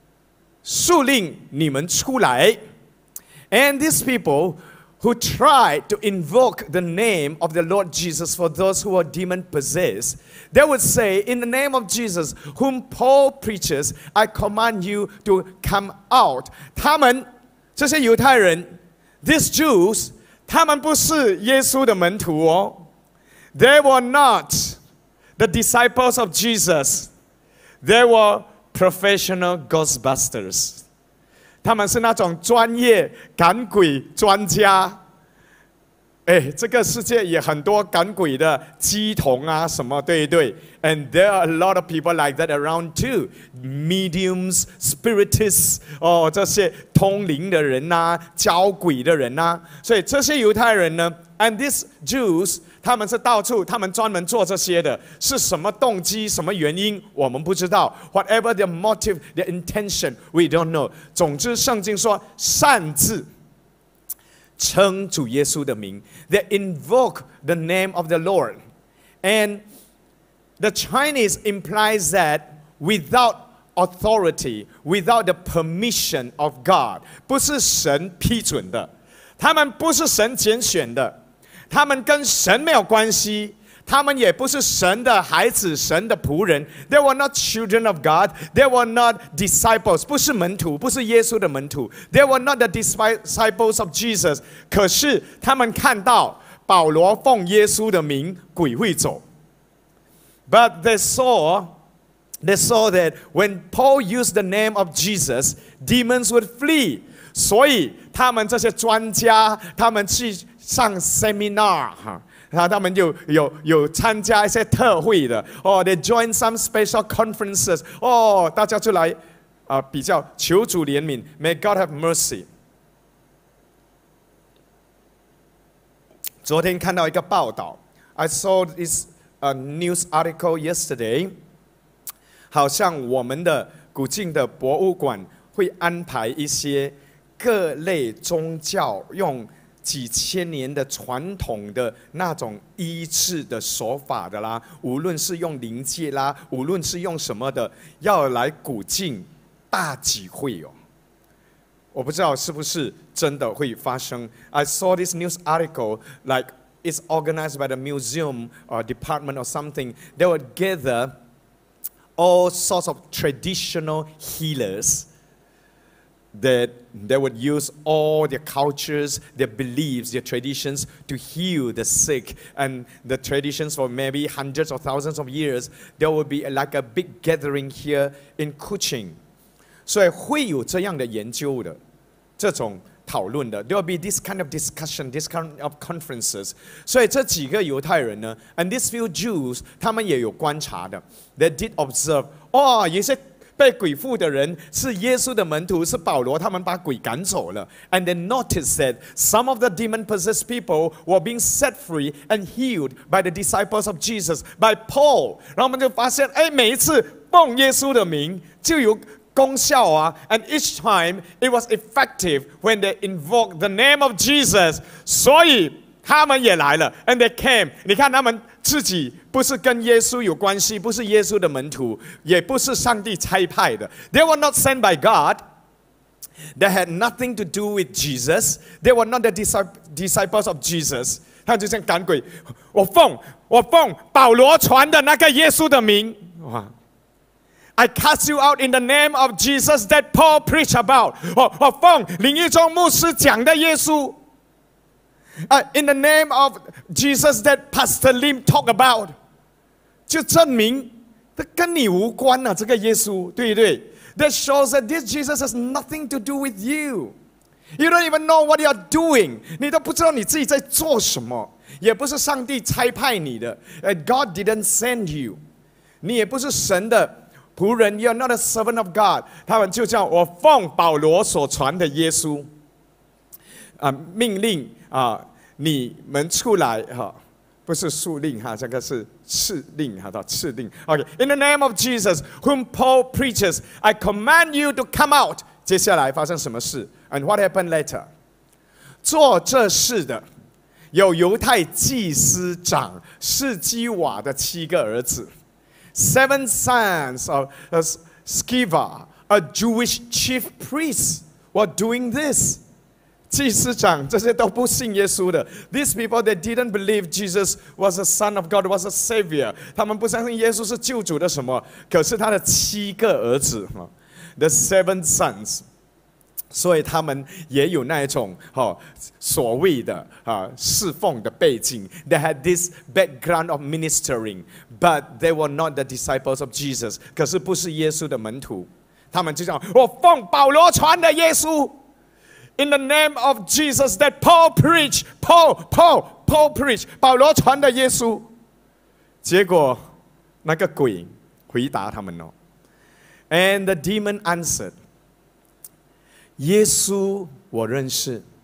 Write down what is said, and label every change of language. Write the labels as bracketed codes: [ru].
[zh] 像那被恶鬼附的人擅自称主耶稣的名说，我奉保罗所传的耶稣，速令你们出来。 [en] And these people who tried to invoke the name of the Lord Jesus for those who are demon-possessed, they would say, in the name of Jesus, whom Paul preaches, I command you to come out. [zh] 他们, 这些犹太人, [en] these Jews, [zh] 他们不是耶稣的门徒哦, [en] they were not the disciples of Jesus. They were professional ghostbusters. [zh] 他们是那种专业赶鬼专家, 哎，这个世界也很多赶鬼的鸡童啊什么，对对。 [en] And there are a lot of people like that around too. Mediums, spiritists, [zh] 哦，这些通灵的人啊，教鬼的人啊。所以这些犹太人呢， [en] And these Jews, [zh] 他们是到处，他们专门做这些的，是什么动机，什么原因，我们不知道。 [en] Whatever their motive, their intention, we don't know. [zh] 总之圣经说擅自称主耶稣的名， [en] they invoke the name of the Lord, and the Chinese implies that without authority, without the permission of God, [zh] 不是神批准的，他们不是神拣选的，他们跟神没有关系，他们也不是神的孩子，神的仆人。 [en] They were not children of God. They were not disciples. [zh] 不是门徒，不是耶稣的门徒。 [en] They were not the disciples of Jesus. [zh] 可是他们看到保罗奉耶稣的名鬼会走。 [en] But they saw that when Paul used the name of Jesus, demons would flee. [zh] 所以他们这些专家，他们去上 seminar，然后他们就 有参加一些特会的，哦、oh, ， [en] they join some special conferences， [zh] 哦、oh, ，大家就来，啊、比较求主怜悯 ， [en] May God have mercy。 [zh] 昨天看到一个报道 ， [en] I saw this news article yesterday， [zh] 好像我们的古晋的博物馆会安排一些各类宗教用几千年的传统的那种医治的手法的啦，无论是用灵界啦，无论是用什么的，要来古晋大集会哦。我不知道是不是真的会发生。 [en] I saw this news article, like it's organized by the museum or department or something. They would gather all sorts of traditional healers. That they would use all their cultures, their beliefs, their traditions to heal the sick. And the traditions for maybe hundreds or thousands of years, there would be like a big gathering here in Kuching. [zh] So, 会有这样的研究的，这种讨论的。 [en] There will be this kind of discussion, this kind of conferences. [zh] 所以这几个犹太人呢， [en] and these few Jews, [zh] 他们也有观察的。 [en] They did observe, [zh] 哦，有些被鬼附的人是耶稣的门徒，是保罗，他们把鬼赶走了。 [en] And they noticed that some of the demon-possessed people were being set free and healed by the disciples of Jesus, by Paul. [zh] 然后我们就发现，哎，每一次奉耶稣的名就有功效啊。 [en] And each time it was effective when they invoked the name of Jesus. [zh] 所以他们也来了。 [en] And they came. [zh] 你看他们自己不是跟耶稣有关系，不是耶稣的门徒，也不是上帝差派的。 [en] They were not sent by God. They had nothing to do with Jesus. They were not the disciples of Jesus. [zh] 他就像赶鬼，我奉保罗传的那个耶稣的名，哇 [en] I cast you out in the name of Jesus that Paul preached about. [zh] 我奉林义中牧师讲的耶稣， [en] in the name of Jesus that Pastor Lim talked about, [zh] 就证明这跟你无关啊，这个耶稣，对不对？ [en] That shows that this Jesus has nothing to do with you. You don't even know what you're doing. [zh] 你都不知道你自己在做什么，也不是上帝差派你的。 [en] God didn't send you. [zh] 你也不是神的仆人， [en] you're not a servant of God. [zh] 他们就叫我奉保罗所传的耶稣，命令啊，你们出来哈、啊，不是书令哈、啊，这个是敕令哈，到、啊、敕令。 [en] OK, in the name of Jesus, whom Paul preaches, I command you to come out. [zh] 接下来发生什么事 ？ [en] And what happened later? [zh] 做这事的有犹太祭司长示基瓦的七个儿子 ， [en] seven sons of Sceva, a Jewish chief priest, were doing this. [zh] 祭司长，这些都不信耶稣的。 [en] These people, they didn't believe Jesus was the Son of God, was a Savior. [zh] 他们不相信耶稣是救主的什么。可是他的七个儿子 ， [en] the seven sons, [zh] 所以他们也有那一种所谓的侍奉的背景。 [en] They had this background of ministering, but they were not the disciples of Jesus. [zh] 可是不是耶稣的门徒。他们就讲：我奉保罗传的耶稣。 [en] in the name of Jesus that Paul preached. Paul preached. [zh] 保罗传的耶稣。结果那个鬼回答他们哦。 [en] And the demon answered, [zh] 耶稣我认识。